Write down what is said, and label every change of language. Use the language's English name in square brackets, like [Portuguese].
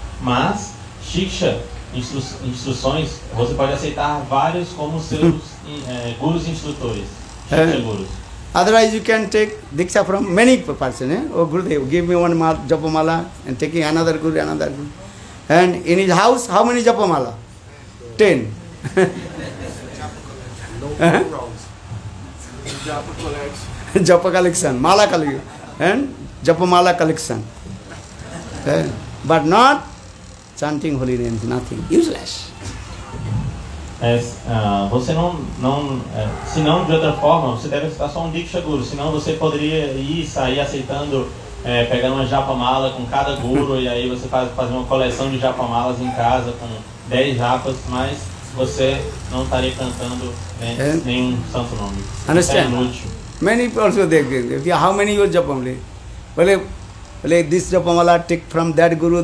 [Portuguese] Mas siksha, instruções, você pode aceitar vários como seus gurus instrutores. Siksha gurus. [English] Otherwise, you can take diksha from many persons. Eh? Oh, Gurudev, give me one japamala and take another guru, another guru. And in his house, how many japamala? 10. Japa collection. Mala collection. And japamala collection. But not chanting holy names, nothing. Useless. [Portuguese] Você se não de outra forma, você deve aceitar só um diksha guru, senão você poderia ir sair aceitando, pegando uma japa mala com cada guru, e aí você fazer uma coleção de japa malas em casa com 10 japas, mas você não estaria cantando nenhum santo nome. [English] Understand? Many people also they how many your japa mala? Well, this japa mala take from that guru.